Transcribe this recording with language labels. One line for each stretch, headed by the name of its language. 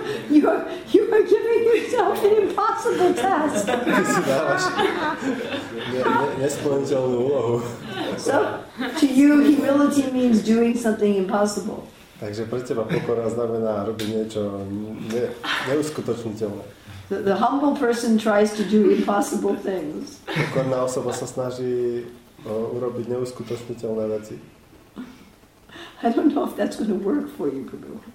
English: You are giving yourself an impossible task.
Slovak: Si dávaš nesplniteľnú úlohu.
English: So, to you, humility means doing something impossible.
Slovak: Takže pre teba pokora znamená robiť niečo neuskutočniteľné.
English: The humble person tries to do impossible things.
Slovak: Pokorná osoba sa snaží urobiť neuskutočniteľné veci.
English: I don't know if that's going to work for you, Prabhu.